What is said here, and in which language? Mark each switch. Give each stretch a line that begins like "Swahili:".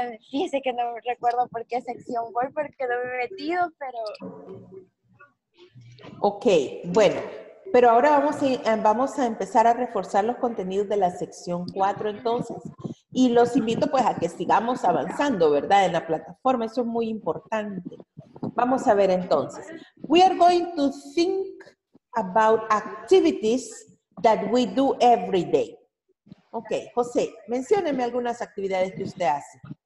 Spanish: Fíjese que no recuerdo por qué sección voy, porque no me he metido, pero. Ok, bueno. Pero ahora vamos a empezar a reforzar los contenidos de la sección 4 entonces. Y los invito pues a que sigamos avanzando, ¿verdad? En la plataforma. Eso es muy importante. Vamos a ver entonces.
English: We are going to think about activities that we do every day.
Spanish: Ok, José, mencióneme algunas actividades que usted hace.